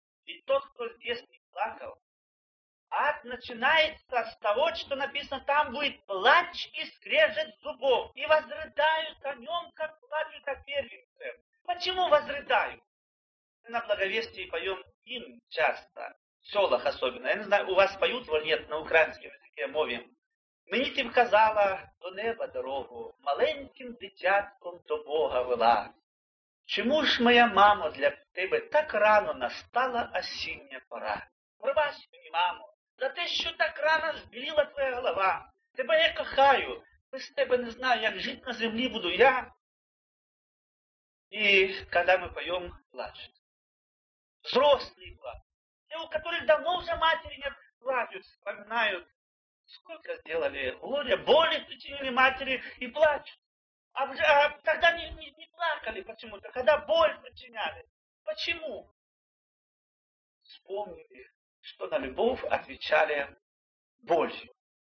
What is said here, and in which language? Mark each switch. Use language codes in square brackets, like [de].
[ru] И тот, кто здесь не плакал. Ад начинается с того, что написано, там будет плач и скрежет зубов. И возрыдают о нем, как плачут о первенце. Почему возрыдают? Мы на благовестии поем им часто, в селах особенно. Я не знаю, у вас поют или нет, на украинском языке мове. [uk] Мені ти вказала до неба дорогу, маленьким дитятком до Бога вела. Чому ж моя мама для тебе так рано настала осіння пора? Пробач мені, мамо, за те, що так рано збіліла твоя голова. Тебе я кохаю, без тебе не знаю, як жити на землі буду я. І коли ми поємо, плачуть. Взрослі плачуть, те, [ru] у которых [uk] давно вже матері не плачуть, [ru] вспоминають. Сколько сделали горя, боли причинили матери и плачут. А тогда не плакали почему-то, когда боль причиняли. Почему? Вспомнили, что на любовь отвечали Божью.